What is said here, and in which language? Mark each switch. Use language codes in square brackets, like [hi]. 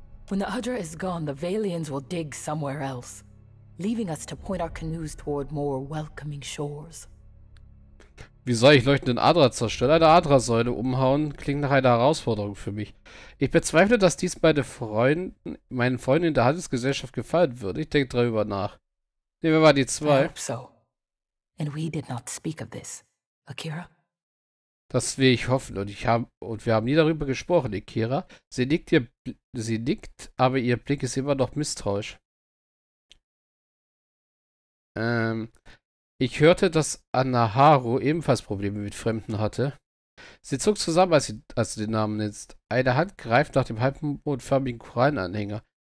[en] When the Udra is gone, the Valians will dig somewhere else, leaving us to point our canoes toward more welcoming shores. [de] Wie soll ich leuchtenden Adra zerstören? Eine Adra-Säule umhauen klingt nach einer Herausforderung für mich. Ich bezweifle, dass dies meinen Freunden in der Handelsgesellschaft gefallen würde. Ich denke darüber nach. Nehmen wir mal die zwei. [en] I hope so. And we did not speak of this, Akira. [de] Das will ich hoffen. Und wir haben nie darüber gesprochen, Akira. Sie nickt, aber ihr Blick ist immer noch misstrauisch. Ich hörte, dass Anaharu ebenfalls Probleme mit Fremden hatte. Sie zog zusammen, als du den Namen nennst. Eine Hand greift nach dem halbmondförmigen Korallenanhänger.